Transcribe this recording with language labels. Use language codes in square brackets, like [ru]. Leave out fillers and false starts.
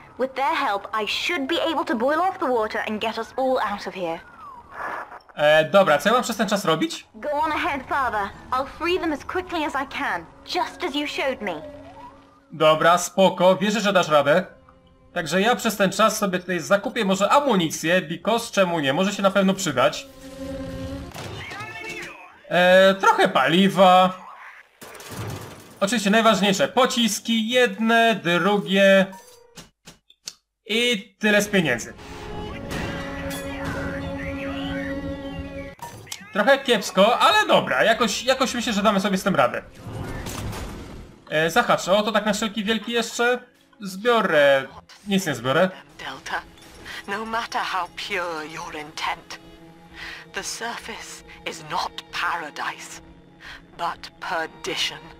[en] With their help, I should be able to boil off the water and get us all out of here. [pl] Dobra, co ja mam przez ten czas robić? [en] Go on ahead, father. I'll free them as quickly as I can, just as you showed me. [pl] Dobra, spoko, wierzę, że dasz radę. Także ja przez ten czas sobie tutaj zakupię może amunicję, [en] because [pl] czemu nie, może się na pewno przydać. Trochę paliwa. Oczywiście najważniejsze, pociski, jedne, drugie. I tyle z pieniędzy. Trochę kiepsko, ale dobra, jakoś myślę, że damy sobie z tym radę. Zahaczę, o to tak na wszelki wielki jeszcze. Zbiorę... nic nie zbiorę. [en] Delta, no matter how pure your intent, the surface is not paradise, but perdition.